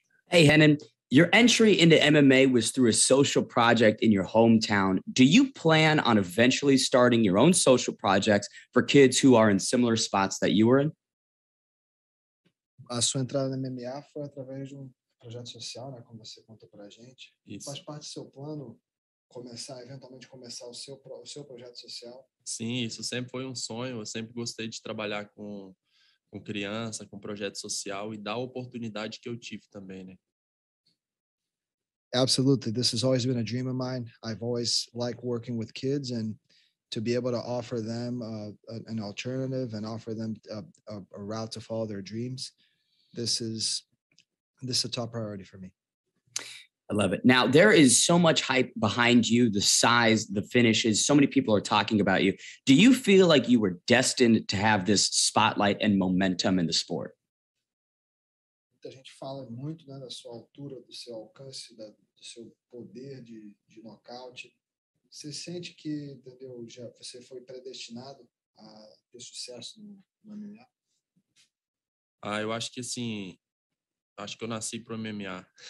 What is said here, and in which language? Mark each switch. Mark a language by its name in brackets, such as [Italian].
[English] Hey, Henan, your entry into MMA was through a social project in your hometown. Do you plan on eventually starting your own social projects for kids who are in similar spots that you were in? [Portuguese] A sua entrada no MMA foi através de projeto social, né, como você contou pra gente. Isso. Faz parte do seu plano começar, eventualmente começar o seu projeto social? Sim, isso sempre foi um sonho. Eu sempre gostei de trabalhar com criança, com projeto social e dar a oportunidade que eu tive também, né? [English] Absolutely. This has always been a dream of mine. I've always liked working with kids and to be able to offer them an alternative and offer them a route to follow their dreams. This is a top priority for me. I love it. Now, there is so much hype behind you, the size, the finishes. So many people are talking about you. Do you feel like you were destined to have this spotlight and momentum in the sport? [Portuguese] Muita gente fala muito, né, da sua altura, do seu alcance, do seu poder de nocaute. Você sente que, entendeu, já você foi predestinado a ter sucesso no MMA? Ah, eu acho que assim, acho que eu nasci pro MMA.